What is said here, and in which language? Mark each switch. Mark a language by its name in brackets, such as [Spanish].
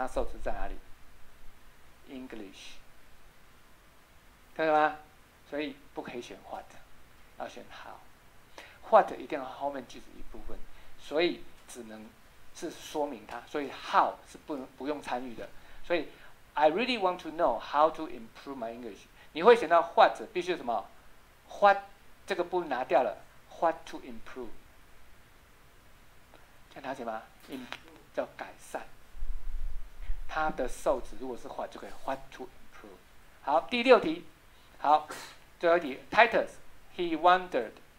[Chinese] 它受词在哪里？ English， 看到吗？所以不可以选 what， 要选 how。 what 一定要后面句子一部分，所以只能是说明它，所以 how 是不用参与的。所以 [English] I really want to know how to improve my English。 [Chinese] 你会选到 what 必须什么 what， 这个部分拿掉了， [English] what to improve， [Chinese] 这样了解吗？ improve 叫改善，它的受词如果是 what 就可以 [English] what to improve。 [Chinese] 好，第六题，好，最后一题 Titus [English] he wondered。